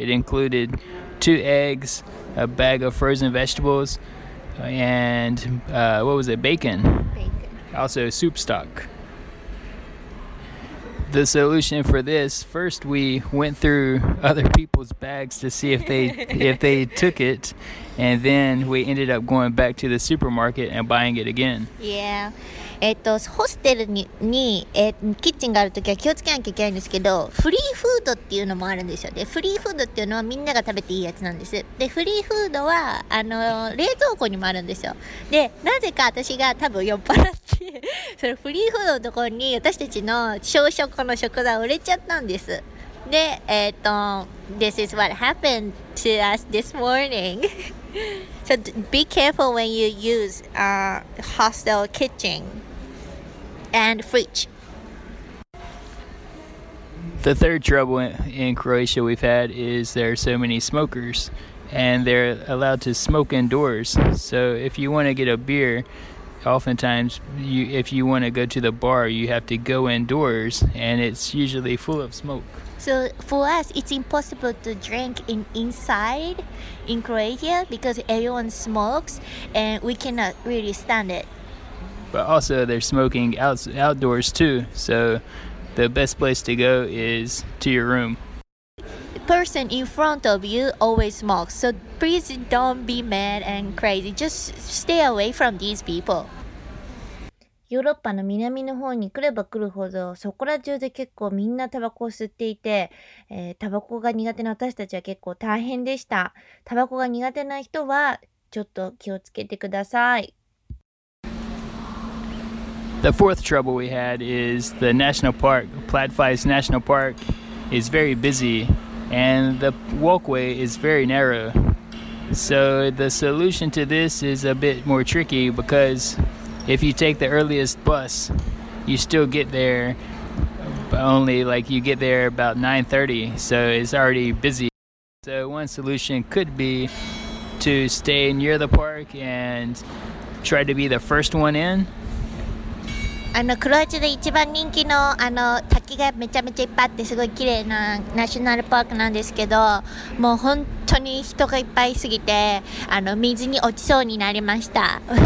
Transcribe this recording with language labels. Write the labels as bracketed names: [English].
[English] It included 2 eggs, a bag of frozen vegetables, and what was it, bacon, also soup stock. The solution for this, first we went through other people's bags to see if they if they took it, and then we ended up going back to the supermarket and buying it again. Yeah. [Japanese] ホステルに、キッチンがあるときは気をつけなきゃいけないんですけど、フリーフードっていうのもあるんですよ。で、フリーフードっていうのはみんなが食べていいやつなんです。で、フリーフードは、冷蔵庫にもあるんですよ。で、なぜか私が多分酔っ払って、そのフリーフードのところに私たちの小食の食材を入れちゃったんです。 [English] で、This is what happened to us this morning. So be careful when you use hostel kitchen and fridge. The third trouble in Croatia we've had is there are so many smokers and they're allowed to smoke indoors. So if you want to get a beer, oftentimes if you want to go to the bar, you have to go indoors and it's usually full of smoke. So for us, it's impossible to drink inside in Croatia because everyone smokes and we cannot really stand it. But also they're smoking outdoors too, so the best place to go is to your room. Person in front of you always smokes, so please don't be mad and crazy. Just stay away from these people. [Japanese] ヨーロッパの南の方に来れば来るほどそこら中で結構みんなタバコを吸っていて、タバコが苦手な私たちは結構大変でした。タバコが苦手な人はちょっと気をつけてください。 [English] The fourth trouble we had is the national park, Plitvice National Park is very busy and the walkway is very narrow. So the solution to this is a bit more tricky becauseIf you take the earliest bus, you still get there, but only like you get there about 9:30, so it's already busy. So one solution could be to stay near the park and try to be the first one in. [Japanese] クロアチアで一番人気の、滝がめちゃめちゃいっぱいあってすごい綺麗なナショナルパークなんですけど、もう本当に人がいっぱいすぎて、水に落ちそうになりました。